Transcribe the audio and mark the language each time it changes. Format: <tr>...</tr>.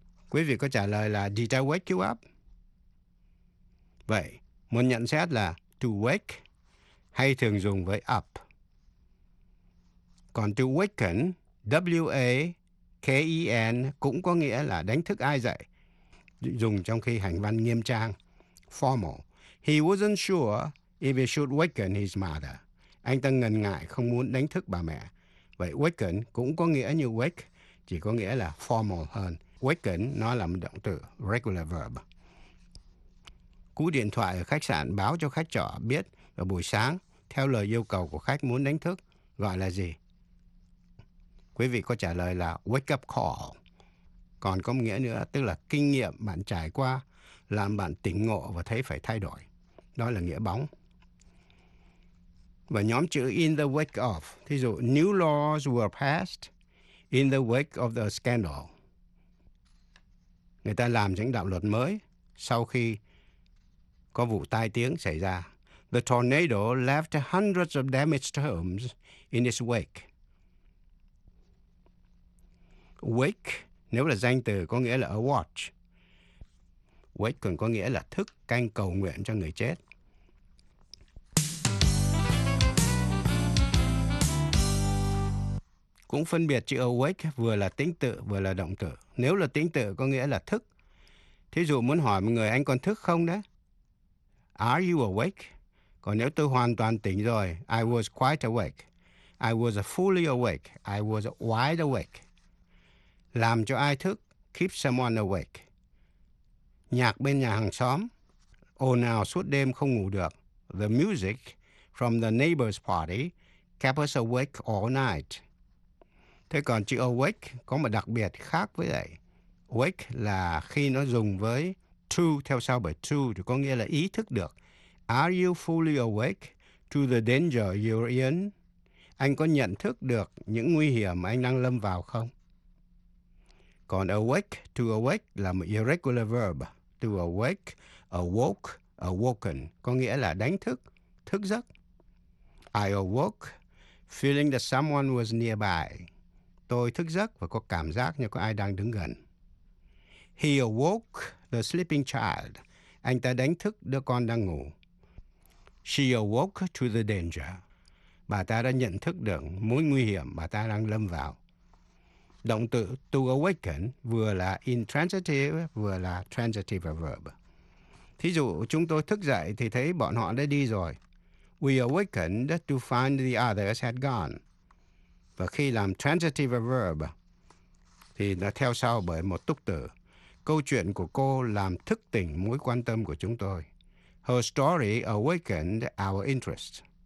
<vi>Quý vị có trả lời là</vi> <en>did I wake you up?</en> <vi>Vậy, một nhận xét là to wake hay thường dùng với up. Còn to waken, W-A-K-E-N cũng có nghĩa là đánh thức ai dậy. Dùng trong khi hành văn nghiêm trang, formal.</vi> <en>He wasn't sure if he should waken his mother.</en> <vi>Anh ta ngần ngại không muốn đánh thức bà mẹ. Vậy waken cũng có nghĩa như wake, chỉ có nghĩa là formal hơn. Waken nó là một động từ, regular verb. Cú điện thoại ở khách sạn báo cho khách trọ biết vào buổi sáng, theo lời yêu cầu của khách muốn đánh thức, gọi là gì? Quý vị có trả lời là wake up call. Còn có nghĩa nữa, tức là kinh nghiệm bạn trải qua, làm bạn tỉnh ngộ và thấy phải thay đổi. Đó là nghĩa bóng. Và nhóm chữ</vi> <en>in the wake of,</en> <vi>thí dụ</vi> <en>new laws were passed in the wake of the scandal.</en> <vi>Người ta làm những đạo luật mới sau khi có vụ tai tiếng xảy ra.</vi> <en>The tornado left hundreds of damaged homes in its wake.</en> <vi>Wake nếu là danh từ có nghĩa là a watch. Wake còn có nghĩa là thức, canh cầu nguyện cho người chết. Cũng phân biệt chữ awake vừa là tính tự vừa là động từ. Nếu là tính tự có nghĩa là thức. Thí dụ muốn hỏi một người anh còn thức không đấy?</vi> <en>Are you awake?</en> <vi>Còn nếu tôi hoàn toàn tỉnh rồi,</vi> <en>I was quite awake. I was fully awake. I was wide awake.</en> <vi>Làm cho ai thức,</vi> <en>keep someone awake.</en> <vi>Nhạc bên nhà hàng xóm, ồn ào suốt đêm không ngủ được.</vi> <en>The music from the neighbor's party kept us awake all night.</en> <vi>Thế còn chữ awake có một đặc biệt khác với vậy. Wake là khi nó dùng với to, theo sau bởi to thì có nghĩa là ý thức được.</vi> <en>Are you fully awake to the danger you're in?</en> <vi>Anh có nhận thức được những nguy hiểm mà anh đang lâm vào không? Còn awake, to awake là một irregular verb. To awake, awoke, awoken có nghĩa là đánh thức, thức giấc.</vi> <en>I awoke feeling that someone was nearby.</en> <vi>Tôi thức giấc và có cảm giác như có ai đang đứng gần.</vi> <en>He awoke the sleeping child.</en> <vi>Anh ta đánh thức đứa con đang ngủ.</vi> <en>She awoke to the danger.</en> <vi>Bà ta đã nhận thức được mối nguy hiểm bà ta đang lâm vào. Động từ to awaken vừa là intransitive vừa là transitive verb. Thí dụ chúng tôi thức dậy thì thấy bọn họ đã đi rồi.</vi> <en>We awakened to find the others had gone.</en> <vi>Và khi làm transitive verb thì nó theo sau bởi một túc từ. Câu chuyện của cô làm thức tỉnh mối quan tâm của chúng tôi.</vi> <en>Her story awakened our interest.</en>